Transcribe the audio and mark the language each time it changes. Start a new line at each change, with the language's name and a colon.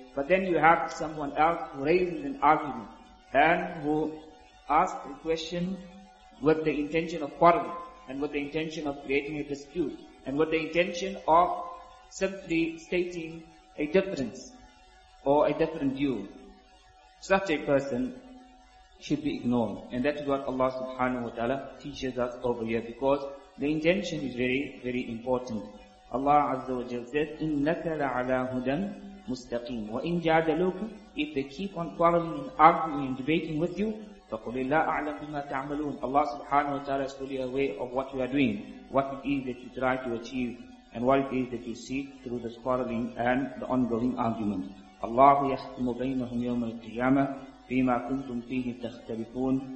English: But then you have someone else who raises an argument and who asks a question with the intention of quarreling and with the intention of creating a dispute and with the intention of simply stating a difference or a different view. Such a person should be ignored. And that is what Allah subhanahu wa ta'ala teaches us over here, because the intention is very, very important. Allah Azza wa Jalla says,
Arabic: إِنَّكَ لَعَلَىٰ هُدًى مُسْتَقِيمٌ وَإِنْ جَادَلُوكَ.
English: If they keep on quarreling and arguing and debating with you,
Arabic: فَقُلِ لَا أَعْلَمْ بِمَا تَعْمَلُونَ.
English: Allah subhanahu wa ta'ala is fully aware of what you are doing, what it is that you try to achieve, and what it is that you seek through this quarreling and the ongoing argument.
Arabic: اللَّهُ يَحْكُمُ بَيْنَهُمْ يَوْمَ الْقِيَامَةِ بِمَا كُنْتُمْ فِيهِ تَخْتَلِفُونَ.